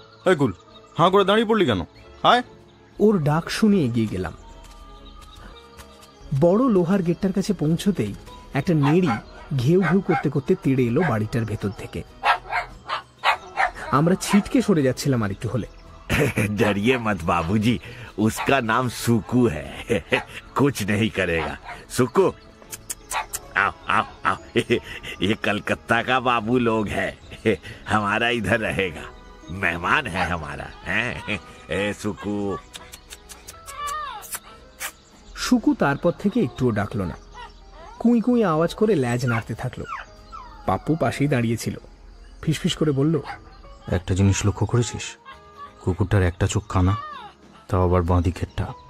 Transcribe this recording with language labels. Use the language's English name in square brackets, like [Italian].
[Bangla] এই গুল, হাঁ করে দাঁড়িয়ে পড়লি কেন, আয়। ওর ডাক শুনে এগিয়ে গেলাম। বড় লোহার গেটটার কাছে পৌঁছতেই একটা নেড়ি ঘেউ ঘেউ করতে করতে তেড়ে এলো বাড়িটার ভেতর থেকে। আমরা ছিটকে সরে যাচ্ছিলাম আর একটু হলে, [Hindi] डरिए मत बाबूजी, उसका नाम सुकु है। कुछ नहीं करेगा सुकु। आओ, आओ, आओ। ये कलकत्ता का बाबू लोग है, हमारा इधर रहेगा, मेहमान है हमारा। ए सुकु। [Bangla] সুকু তারপর থেকে একটুও ডাকল না, কুঁই কুঁই আওয়াজ করে ল্যাজ নাড়তে থাকলো। পাপ্পু পাশেই দাঁড়িয়েছিল, ফিসফিস করে বলল, একটা জিনিস লক্ষ্য করেছিস, কুকুরটার একটা চোখ কানা, তাও আবার বাঁদিকেরটা।